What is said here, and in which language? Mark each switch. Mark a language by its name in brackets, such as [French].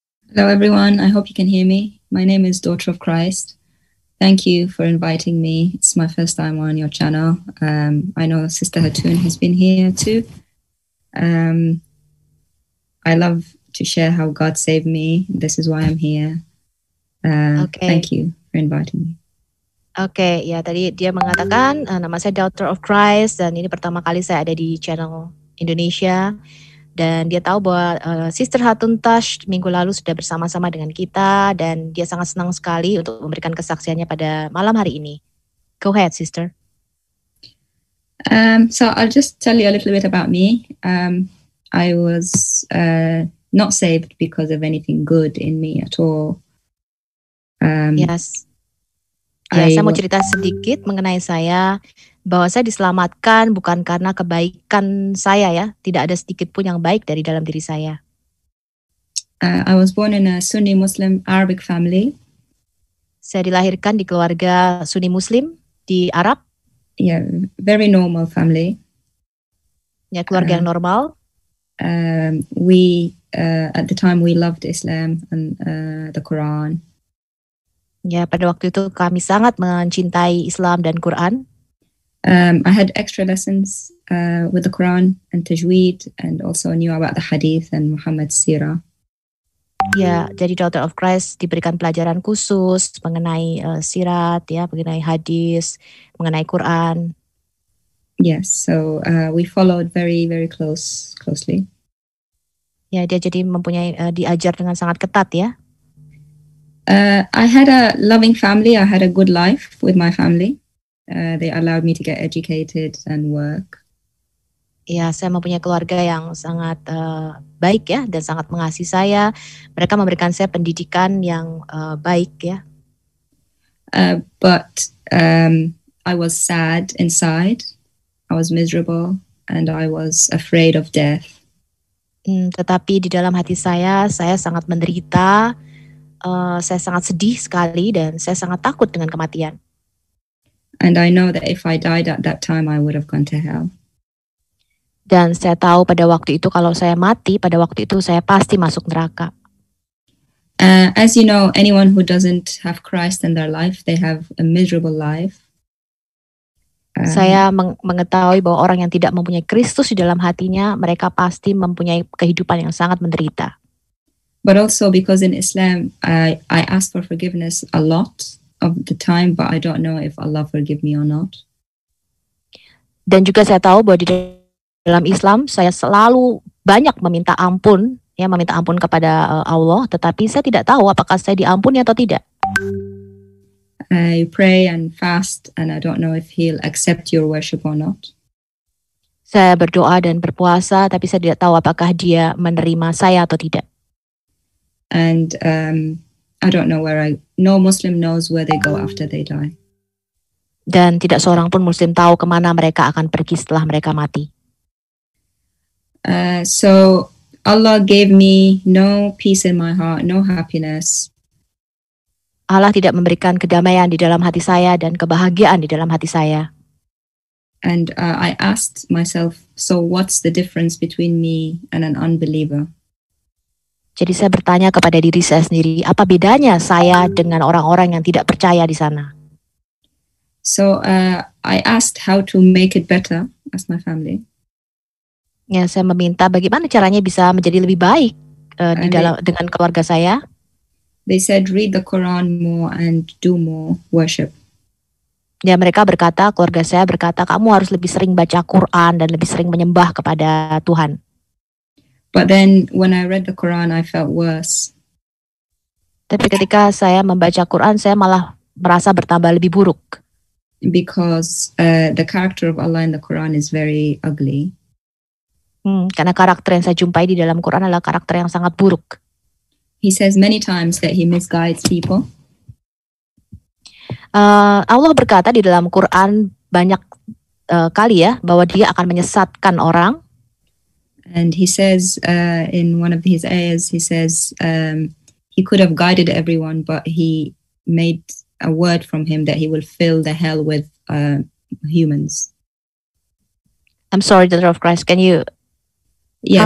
[English] Hello everyone, I hope you can hear me. My name is Daughter of Christ. Thank you for inviting me. It's my first time on your channel. I know Sister Hatun has been here too. I love to share how God saved me. This is why I'm here. Okay. Thank you for inviting me. [Indonesian] Okay, ya tadi dia mengatakan nama saya Daughter of Christ dan ini pertama kali saya ada di channel Indonesia. Dan dia tahu bahwa Sister Hatun Tash minggu lalu sudah bersama-sama dengan kita dan dia sangat senang sekali untuk memberikan kesaksiannya pada malam hari ini. [English] Go ahead, Sister. So I'll just tell you a little bit about me. I was not saved because of anything good in me at all. Yes. [Indonesian] Ya, saya mau cerita sedikit mengenai saya, bahwa saya diselamatkan bukan karena kebaikan saya ya, tidak ada sedikit pun yang baik dari dalam diri saya. [English] I was born in a Sunni Muslim Arabic family. [Indonesian] Saya dilahirkan di keluarga Sunni Muslim di Arab. [English] Yeah, very normal family. [Indonesian] Ya, keluarga yang normal. [English] At the time we loved Islam and the Quran. [Indonesian] Ya, pada waktu itu kami sangat mencintai Islam dan Quran. [English] I had extra lessons with the Quran and Tajweed and also knew about the Hadith and Muhammad's Sirah. [Indonesian] Ya, jadi Daughter of Christ diberikan pelajaran khusus mengenai sirat, ya, mengenai hadis, mengenai Quran. [English] Yes, so we followed very, very closely. [Indonesian] Ya, dia jadi mempunyai diajar dengan sangat ketat, ya. [English] I had a loving family. I had a good life with my family. They allowed me to get educated and work. [Indonesian] Ya, saya mempunyai keluarga yang sangat baik ya dan sangat mengasihi saya. Mereka memberikan saya pendidikan yang baik ya. [English] But I was sad inside. I was miserable and I was afraid of death. [Indonesian] Tetapi di dalam hati saya sangat menderita. Saya sangat sedih sekali dan saya sangat takut dengan kematian. [English] And I know that if I died at that time, I would have gone to hell. [Indonesian] Dan saya tahu pada waktu itu kalau saya mati, pada waktu itu saya pasti masuk neraka. [English] As you know, anyone who doesn't have Christ in their life, they have a miserable life. [Indonesian] Saya mengetahui bahwa orang yang tidak mempunyai Kristus di dalam hatinya, mereka pasti mempunyai kehidupan yang sangat menderita. [English] But also because in Islam, I ask for forgiveness a lot of the time, but I don't know if Allah forgive me or not. [Indonesian] Dan juga saya tahu bahwa di dalam Islam, saya selalu banyak meminta ampun, ya, meminta ampun kepada Allah, tetapi saya tidak tahu apakah saya diampuni atau tidak. [English] I pray and fast, and I don't know if He'll accept your worship or not. [Indonesian] Saya berdoa dan berpuasa, tapi saya tidak tahu apakah Dia menerima saya atau tidak. [English] And I don't know where no Muslim knows where they go after they die. [Indonesian] Dan tidak seorang pun Muslim tahu kemana mereka akan pergi setelah mereka mati. [English] So Allah gave me no peace in my heart, no happiness. [Indonesian] Allah tidak memberikan kedamaian di dalam hati saya dan kebahagiaan di dalam hati saya. [English] And I asked myself, so what's the difference between me and an unbeliever? [Indonesian] Jadi saya bertanya kepada diri saya sendiri, apa bedanya saya dengan orang-orang yang tidak percaya di sana? [English] So I asked how to make it better as my family. [Indonesian] Ya, saya meminta bagaimana caranya bisa menjadi lebih baik dengan keluarga saya. [English] They said read the Quran more and do more worship. [Indonesian] Ya, mereka berkata, keluarga saya berkata, kamu harus lebih sering baca Quran dan lebih sering menyembah kepada Tuhan. [English] But then when I read the Quran, I felt worse. [Indonesian] Tapi ketika saya membaca Quran, saya malah merasa bertambah lebih buruk. [English] Because the character of Allah in the Quran is very ugly. [Indonesian] Karena karakter yang saya jumpai di dalam Quran adalah karakter yang sangat buruk. [English] He says many times that he misguides people. [Indonesian] Allah berkata di dalam Quran banyak kali ya bahwa dia akan menyesatkan orang. [English] And he says in one of his ayahs, he says he could have guided everyone, but he made a word from him that he will fill the hell with humans. I'm sorry, daughter of Christ, can you yes.